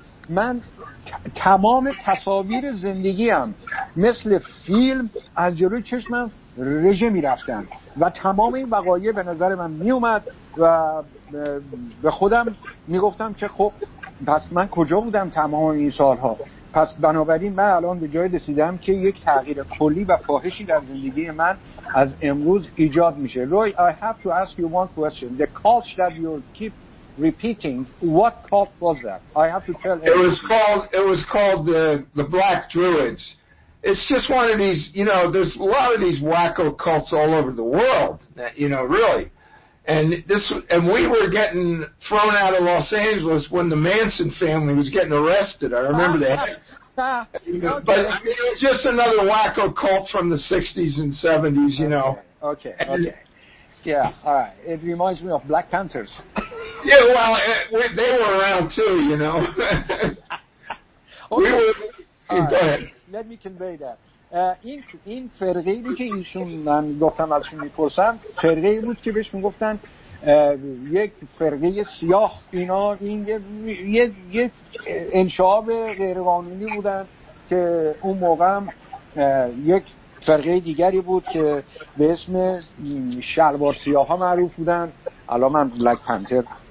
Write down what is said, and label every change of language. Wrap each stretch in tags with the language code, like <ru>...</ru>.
<fa>من تمام تصاویر زندگیم مثل فیلم از جلوی چشمم رژه می رفتن و تمام این وقایع به نظر من می اومد و به خودم می گفتم که خب پس من کجا بودم تمام این سالها؟ پس بنابراین من الان به جای رسیدم که یک تغییر کلی و فاحشی در زندگی من از امروز ایجاد میشه.</fa> <en>Roy, I have to ask you one question. The cult that you keep repeating, what cult was that? I have to tell you. It was called the Black Druids. It's just one of these, you know, there's a lot of these wacko cults all over the world, that, you know, really. And we were getting thrown out of Los Angeles when the Manson family was getting arrested. I remember that. But I mean, it was just another wacko cult from the 60s and 70s, you know. Okay. Yeah, all right. It reminds me of Black Panthers. Yeah, well, they were around too, you know. Okay. Let me convey that.</en> <fa>این فرقه ای که ایشون من گفتم ازشون میپرسم، فرقه ای بود که بهش میگفتن یک فرقه سیاه. اینا این یه انشعاب غیرقانونی بودن که اون موقع هم یک فرقه دیگری بود که به اسم شلوار سیاه ها معروف بودن، الان من بلک پنتر</fa>